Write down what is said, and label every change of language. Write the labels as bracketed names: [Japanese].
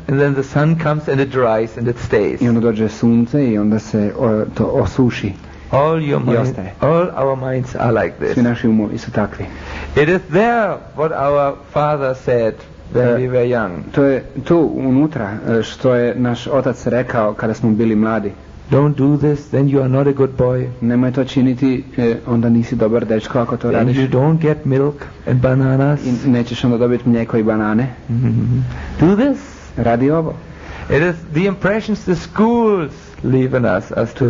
[English] And then the sun comes and it dries and it stays. [Croatian] I onda dođe sunce i onda se to osuši. [English] All your minds, all our minds are like this. [Croatian] Svi naši umovi su takvi. [English] It is there what our father said when we were young. [Croatian] To je tu unutra što je naš otac rekao kada smo bili mladi. [English] Don't do this, then you are not a good boy. [Croatian] Nemoj to činiti, onda nisi dobar dečko ako to radiš. [English] You don't get milk and bananas. [Croatian] I nećeš onda dobiti mlijeko i banane. [English] Mm-hmm. Do this. [Croatian] Radi ovo. [English] It is the impressions the schools leave in us as to